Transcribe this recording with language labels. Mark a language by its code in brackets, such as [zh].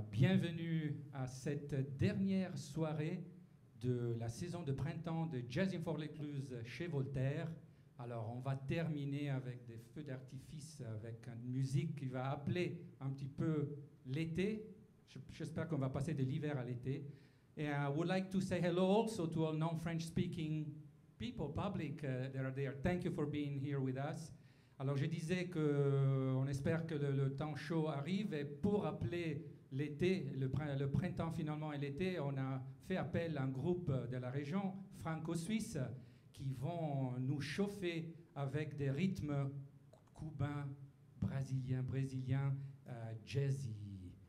[fr] Bienvenue à cette dernière soirée de la saison de printemps de Jazzin' for l'Écluse chez Voltaire. Alors, on va terminer avec des feux d'artifice, avec une musique qui va appeler un petit peu l'été. J'espère qu'on va passer de l'hiver à l'été. [en] And I would like to say hello also to all non-French speaking people, public that are there. Thank you for being here with us. [fr] Alors, je disais qu'on espère que le temps chaud arrive et pour appeler l'été, le printemps finalement et l'été, on a fait appel à un groupe de la région franco-suisse qui vont nous chauffer avec des rythmes cubains, brésiliens, jazzy.